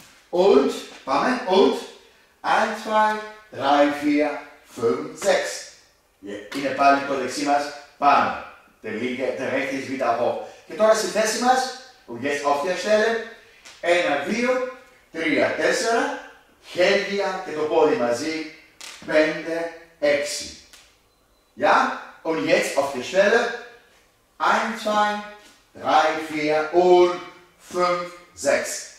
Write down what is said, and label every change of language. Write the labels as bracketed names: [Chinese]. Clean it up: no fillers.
[German] Und, πάμε, und. 1, 2, 3, 4, 5, 6. [Greek] Είναι πάλι το δεξί μας πάνω. [German] Der rechte ist wieder hoch. [Greek] Και τώρα στη θέση μας, [German] und jetzt auf der Stelle, [Greek] 1, 2, 3, 4, χέρια και το πόδι μαζί, 5, 6. [German] Ja, und jetzt auf der Stelle, 1, 2, 3, 4, und 5, 6.